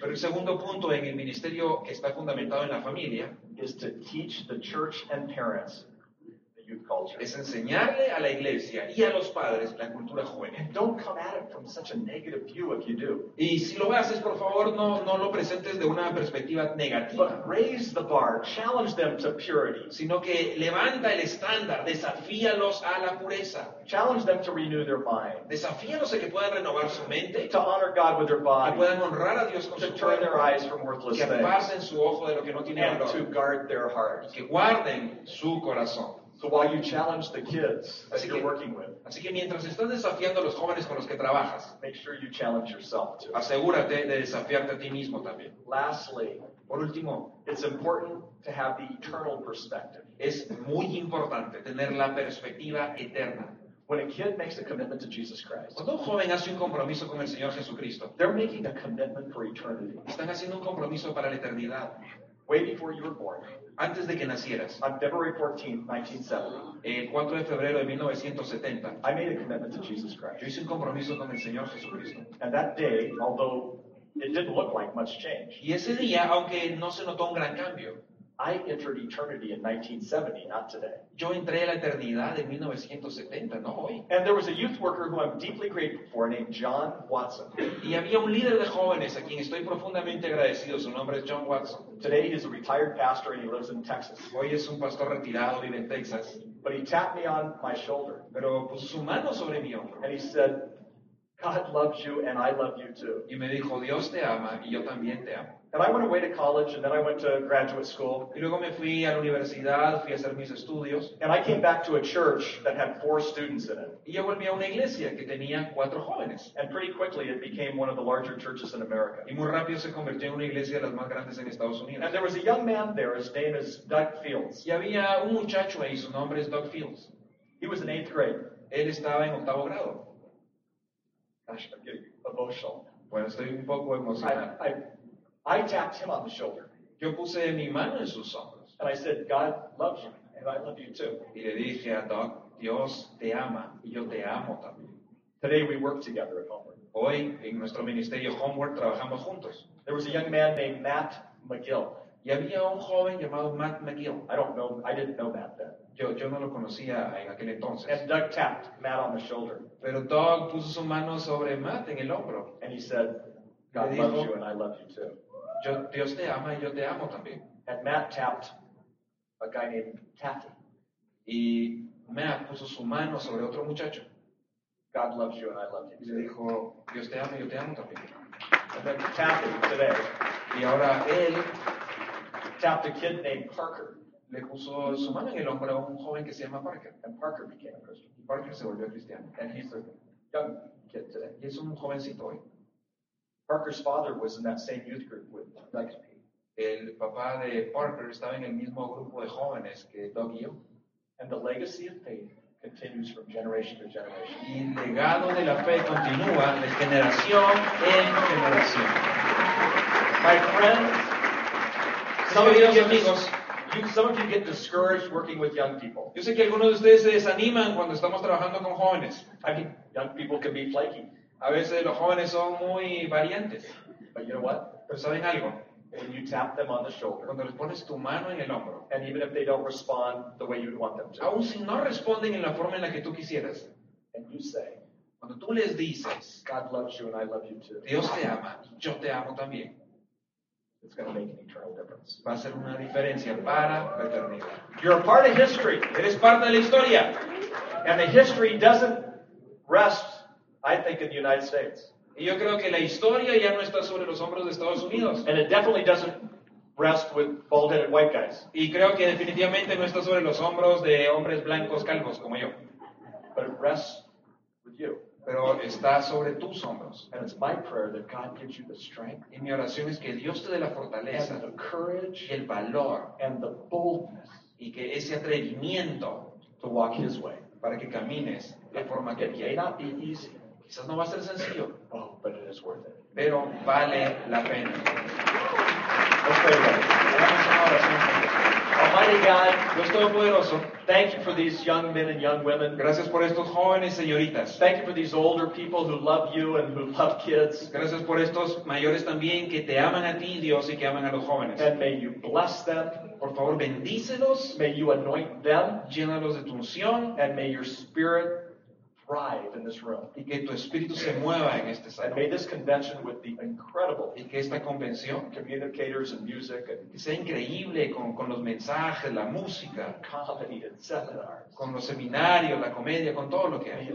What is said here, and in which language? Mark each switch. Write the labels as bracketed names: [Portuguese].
[Spanish] Pero el segundo punto en el ministerio que está fundamentado en la familia [English] is to teach the church and parents the youth culture. [Spanish] Es enseñarle a la iglesia y a los padres la cultura juvenil. [English] Don't come at it from such a negative view if you do. [Spanish] Y si lo haces, por favor, no lo presentes de una perspectiva negativa. [English] But raise the bar, challenge them to purity. [Spanish] Sino que levanta el estándar, desafíalos a la pureza. [English] Challenge them to renew their mind. [Spanish] Desafíalos a que puedan renovar su mente. [English] To honor God with their body. [Spanish] Que puedan honrar a Dios con su cuerpo. [English] To turn their eyes from worthless things. [Spanish] Que pasen su ojo de lo que no tiene valor. [English] And to guard their hearts. [Spanish] Que guarden su corazón. [English] So while you challenge the kids that you're working with, [Spanish] así que mientras estás desafiando a los jóvenes con los que trabajas, [English] make sure you challenge yourself too. [Spanish] Asegúrate de desafiarte a ti mismo también. [English] Lastly, [Spanish] por último, [English] it's important to have the eternal perspective. [Spanish] Es muy importante tener la perspectiva eterna. [English] When a kid makes a commitment to Jesus Christ, [Spanish] cuando un joven hace un compromiso con el Señor Jesucristo, [English] they're making a commitment for eternity. [Spanish] Están haciendo un compromiso para la eternidad. [English] Way before you were born. [Spanish] Antes de que nacieras. [English] On February 14, 1970. [Spanish] El 4 de febrero de 1970. [English] I made a commitment to Jesus Christ. [Spanish] Yo hice un compromiso con el Señor Jesucristo. [English] And that day, although it didn't look like much change. [Spanish] Y ese día, aunque no se notó un gran cambio. [English] I entered eternity in 1970, not today. [Spanish] Yo entré a la eternidad en 1970, no hoy. [English] And there was a youth worker who I'm deeply grateful for named John Watson. [Spanish] Y había un líder de jóvenes a quien estoy profundamente agradecido. Su nombre es John Watson. [English] Today he is a retired pastor and he lives in Texas. [Spanish] Hoy es un pastor retirado, vive en Texas. [English] But he tapped me on my shoulder. [Spanish] Pero puso su mano sobre mi hombro. [English] And he said, God loves you and I love you too. [Spanish] Y me dijo, Dios te ama y yo también te amo. [English] And I went away to college, and then I went to graduate school. [Spanish] Y luego me fui a la universidad, fui a hacer mis estudios. [English] And I came back to a church that had 4 students in it. [Spanish] Y yo volví a una iglesia que tenía 4 jóvenes. [English] And pretty quickly, it became one of the larger churches in America. [Spanish] Y muy rápido se convirtió en una iglesia de las más grandes en Estados Unidos. [English] And there was a young man there, his name is Doug Fields. [Spanish] Y había un muchacho ahí, su nombre es Doug Fields. [English] He was in 8th grade. [Spanish] Él estaba en octavo grado. [English] Gosh, I'm getting emotional. [Spanish] Bueno, estoy un poco emocionado. [English] I tapped him on the shoulder. [Spanish] Yo puse mi mano en sus hombros. [English] And I said, God loves you, and I love you too. [Spanish] Y le dije a Doc, Dios te ama, y yo te amo también. [English] Today we work together at Homework. [Spanish] Hoy, en nuestro ministerio Homework, trabajamos juntos. [English] There was a young man named Matt McGill. [Spanish] Y había un joven llamado Matt McGill. [English] I didn't know Matt then. [Spanish] Yo no lo conocía en aquel entonces. [English] And Doug tapped Matt on the shoulder. [Spanish] Pero Doc puso su mano sobre Matt en el hombro. [English] And he said, God [Spanish] dijo, [English] loves you and I love you too. [Spanish] Dios te ama y yo te amo también. [English] And Matt tapped a guy named Taffy. [Spanish] Y Matt puso su mano sobre otro muchacho. [English] God loves you and I love you too. [Spanish] Y le dijo, Dios te ama y yo te amo también. [English] And then Taffy today. [Spanish] Y ahora él [English] tapped a kid named Parker. [Spanish] Le puso su mano en el hombro a un joven que se llama Parker. [English] And Parker became a Christian. [Spanish] Y Parker se volvió cristiano. [English] And he's a young kid today. [Spanish] Y es un jovencito hoy. [English] Parker's father was in that same youth group with Doug. [Spanish] El papá de Parker estaba en el mismo grupo de jóvenes que Doug y yo. [English] And the legacy of faith continues from generation to generation. [Spanish] Y el legado de la fe continúa de generación en generación. [English] My friends, some of you get discouraged working with young people. [Spanish] Yo sé que algunos de ustedes se desaniman cuando estamos trabajando con jóvenes. [English] I mean, young people can be flaky. [Spanish] A veces los jóvenes son muy variantes. [English] But you know what? [Spanish] Pero saben algo. [English] When you tap them on the shoulder, [Spanish] cuando les pones tu mano en el hombro, [English] and even if they don't respond the way you'd want them to, [Spanish] aun si no responden en la forma en la que tú quisieras, [English] and you say, [Spanish] cuando tú les dices, [English] God loves you and I love you too, [Spanish] Dios te ama y yo te amo también, [English] it's going to make an eternal difference. [Spanish] Va a ser una diferencia para la eternidad. [English] You're a part of history. [Spanish] Eres parte de la historia. [English] And the history doesn't rest, I think, in the United States. [Spanish] Y yo creo que la historia ya no está sobre los hombros de Estados Unidos. [English] And it definitely doesn't rest with bald-headed white guys. [Spanish] Y creo que definitivamente no está sobre los hombros de hombres blancos calvos como yo. [English] But it rests with you. [Spanish] Pero está sobre tus hombros. [English] And it's my prayer that God gives you the strength. [Spanish] Y mi oración es que Dios te dé la fortaleza. [English] And the courage. [Spanish] El valor. [English] And the boldness. [Spanish] Y que ese atrevimiento. [English] To walk His way. [Spanish] Para que camines la forma que quieras. Quizás no va a ser sencillo. [English] Oh, but it is worth it. [Spanish] Pero vale la pena. [English] Okay, right. Almighty God, [Spanish] Dios Todopoderoso, [English] thank you for these young men and young women. [Spanish] Gracias por estos jóvenes señoritas. [English] Thank you for these older people who love you and who love kids. [Spanish] Gracias por estos mayores también que te aman a ti, Dios, y que aman a los jóvenes. [English] And may you bless them. [Spanish] Por favor, bendícelos. [English] May you anoint them. [Spanish] Llénalos de tu unción. [English] And may your spirit thrive in this room. [Spanish] Y que tu espíritu se mueva en este salón. [English] And may this convention with the incredible [Spanish] y que esta convención, [English] communicators and music and [Spanish] que sea increíble con los mensajes, la música, [English] comedy and seminars, [Spanish] con los seminarios, la comedia, con todo lo que hay.